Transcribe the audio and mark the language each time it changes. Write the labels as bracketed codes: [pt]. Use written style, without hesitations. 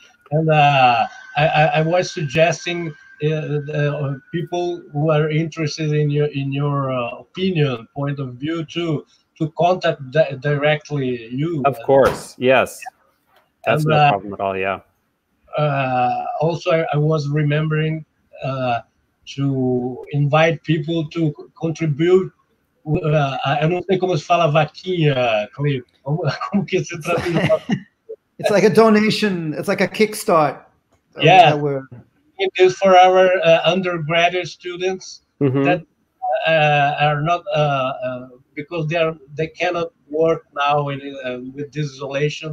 [en] And I was suggesting people who are interested in your opinion, point of view, to contact directly you. Of course, yes. That's no problem at all, yeah. Also, I was remembering to invite people to contribute. [pt] Eu não sei como se fala vaquinha, Cleve. Como que se traduz? [en] It's like a donation, it's like a kickstart. Yeah. It is for our undergraduate students, mm-hmm. that are not because they cannot work now with this isolation.